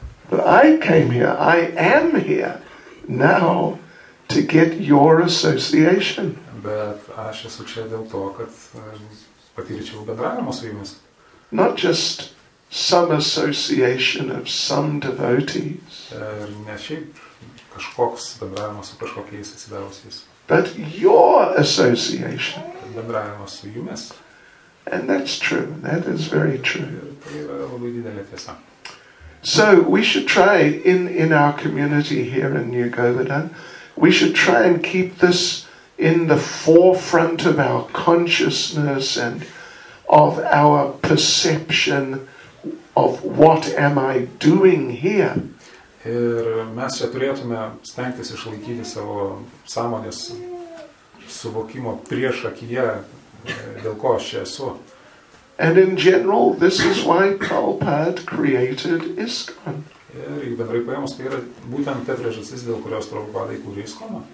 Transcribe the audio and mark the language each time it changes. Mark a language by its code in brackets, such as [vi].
[en] But I came here, I am here now to get your association. [lt] Bet aš esu čia dėl to, kad patyrėčiau bendravimą su jumis. [en] Not just some association of some devotees. [lt] Ne šiaip kažkoks bendravimas su kažkokiais atsidavusiais. [en] But your association. [lt] Bendravimas su jumis. [en] And that's true. That is very true. [lt] Tai yra labai didelė tiesa. [en] So we should try in our community here in New Govardhan, we should try and keep this in the forefront of our consciousness and of our perception of what am I doing here. [lt] Ir mes čia turėtume stengtis išlaikyti savo sąmonės suvokimo prieš akyje, dėl ko aš čia esu. [en] And in general, this is why Prabhupada created ISKCON. [lt] Ir jau bendrai paėmus, tai yra būtent ta priežastis, dėl kurios Prabhupada įkūrė ISKCON.